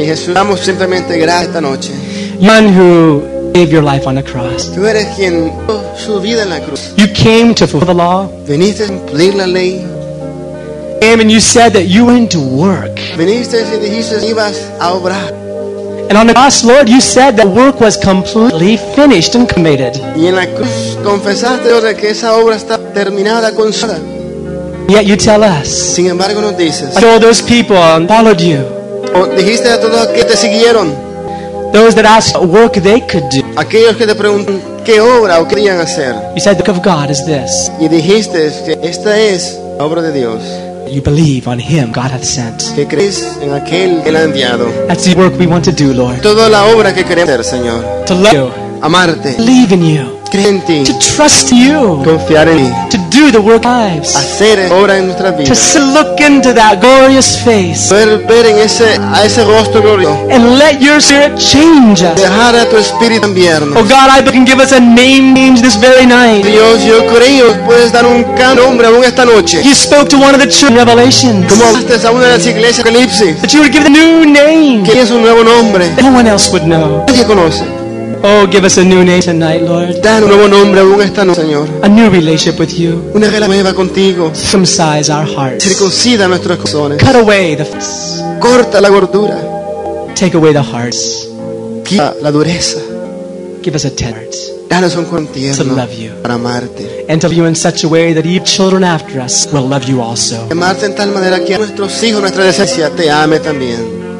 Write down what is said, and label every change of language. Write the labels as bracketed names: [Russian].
[Spanish] Y Jesús, damos simplemente gracias esta noche. [English] Man who gave your life on the cross. [Spanish] Tú eres quien dio su vida en la cruz. [English] You came to fulfill the law. [Spanish] Veniste a cumplir la ley. [English] Came and you said that you went to work. [Spanish] Veniste y dijiste que ibas a obrar. [English] And on the cross, Lord, you said that work was completely finished and committed. [Spanish] Y en la cruz confesaste, Lord, que esa obra está terminada, consumada. [English] Yet you tell us. [Spanish] Sin embargo, nos dices. [English] All those people followed you. [Spanish] O dijiste a todos que te siguieron. [English] Those that asked what work they could do. [Spanish] Aquellos que te preguntan qué obra o querían hacer. [English] You said the work of God is this. [Spanish] Y dijiste que esta es la obra de Dios. [English] You believe on Him God hath sent. [Spanish] Que crees en aquel que ha enviado. [English] That's the work we want to do, Lord. [Spanish] Toda la obra que queremos hacer, Señor. [English] To love you. [Spanish] Amarte. [English] Believe in you. [Spanish] Creer en ti. [English] To trust you. [Spanish] Confiar en ti. [English] To do the work of lives. [Spanish] Hacer la obra en nuestra vida. [English] To look into that glorious face. [Spanish] Ver en ese, a ese rostro glorioso. [English] And let your spirit change us. [Spanish] Dejar a tu espíritu cambiarnos. [English] Oh God, I can give us a name change this very night. [Spanish] Dios, yo creo que puedes dar un nombre aún esta noche. [English] You spoke to one of the church revelations. [Spanish] Como hablaste a una de las iglesias de Apocalipsis. [English] That you would give a new name. [Spanish] Que es un nuevo nombre. [English] No one else would know. [Spanish] Nadie conoce. [English] Oh, give us a new name tonight, Lord. [Spanish] Dan un nuevo nombre aún esta noche, Señor. [English] A new relationship with you. [Spanish] Una relación nueva contigo. [English] Circumcise our hearts. [Spanish] Circuncida nuestros corazones. [English] Cut away the flesh. [Spanish] Corta la gordura. [English] Take away the hearts. [Spanish] Quita la dureza. [English] Give us a tender heart. [Spanish] Danos un corazón tierno. [English] To love you. [Spanish] Para amarte. [English] And to love you in such a way that even children after us will love you also. [Spanish] Amarte en tal manera que nuestros hijos, nuestra descendencia, te ame también.